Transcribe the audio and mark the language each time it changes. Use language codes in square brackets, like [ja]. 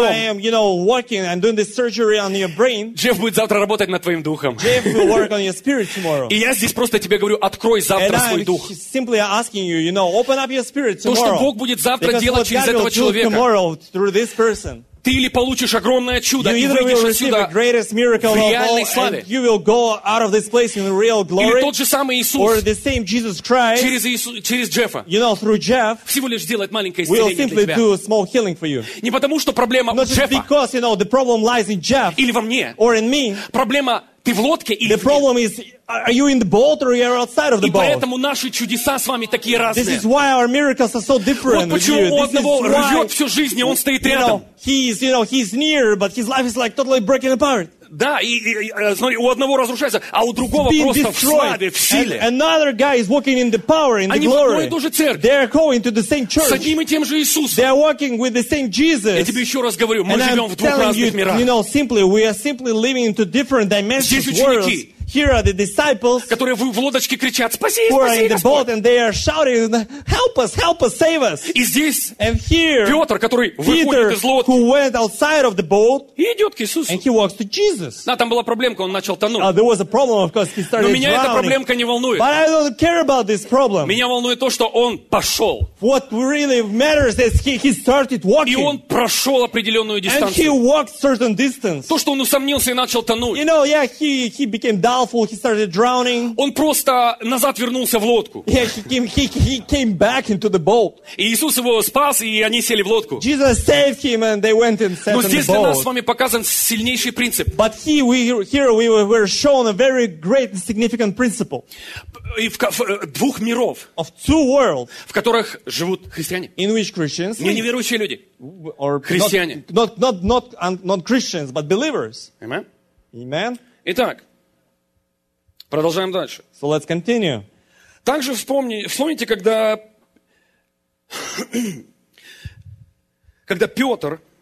[en] I am, you know, working and doing this surgery on your brain, [ru] Джефф будет завтра работать над твоим духом. [en] Jeff will work on your spirit tomorrow. [ru] И я здесь просто тебе говорю, открой завтра [en] and [ru] свой [en] I'm [ru] дух. [en] Simply asking you, you know, open up your spirit tomorrow. [ru] То, что Бог будет завтра [en] Because [ru] делать через этого человека, [en] tomorrow, through this person. [ru] Ты или получишь огромное чудо, и выйдешь отсюда в реальной славе. Или тот же самый Иисус [en] Christ, [ru] через Джеффа, [en] you know, Jeff, [ru] всего лишь сделает маленькое исцеление для тебя. Не потому, что проблема [en] Not [ru] у Джеффа [en] because, you know, the problem lies in Jeff, [ru] или во мне. [en] Or in me. [ru] Проблема ты в лодке или [en] the problem [ru] вне. [en] Is, are you in the boat or you are outside of the [ru] и [en] boat? [ru] И поэтому наши чудеса с вами такие разные. [en] This is why our miracles are so different. [ru] Вот почему у одного рвет всю жизнь, и он стоит рядом. [en] Know, he's, you know, he's near, but his life is like totally breaking apart. [ru] Да, и смотри, у одного разрушается, а у другого просто [en] destroyed. [ru] В славе, в силе. [en] And another guy is walking in the power, in [ru] они [en] the glory. [ru] Они в одной и той же церкви. [en] They are going to the same church. [ru] С одним и тем же Иисусом. [en] They are walking with the same Jesus. [ru] Я тебе еще раз говорю, мы [en] and [ru] живем [en] I'm [ru] в двух разных [en] you, [ru] мирах. [en] You know, simply, we are simply living in two different dimensions. [ru] Здесь ученики. [en] Worlds. Here are the disciples, [ru] которые в лодочке кричат: «Спаси, [en] who are [ru] спаси, [en] in the [ru] Господь! [en] Boat and they are shouting, help us, save us!» [ru] И здесь [en] and here, [ru] Петр, который [en] Peter, [ru] выходит из лодки, [en] who went outside of the boat, [ru] и идет к Иисусу. [en] And he walks to Jesus. [ru] Да, там была проблемка, он начал тонуть. [en] There was a problem, of course, he started [ru] но меня [en] drowning. [ru] Эта проблемка не волнует. [en] But I don't care about this problem. [ru] Меня волнует то, что он пошел. [en] What really matters is he started walking. [ru] И он прошел определенную дистанцию. [en] And he walked certain distance. [ru] То, что он усомнился и начал тонуть. [en] You know, yeah, he became down. He started drowning. [ru] Он просто назад вернулся в лодку. [en] Yeah, he came back into the boat. [ru] И Иисус его спас, и они сели в лодку. [en] Jesus saved him and they went and sat [ru] Но [en] in the boat. [ru] Но здесь для нас с вами показан сильнейший принцип. [en] But here we were shown a very great and significant principle. [ru] В двух миров. [en] Of two worlds. [ru] В которых живут христиане. [en] In which Christians. [ru] Не неверующие люди. [en] Or [ru] христиане. [en] Not Christians, but believers. Amen. Amen. [ru] Итак. Продолжаем дальше. [en] So let's continue. [ru] Также вспомните, когда Петр,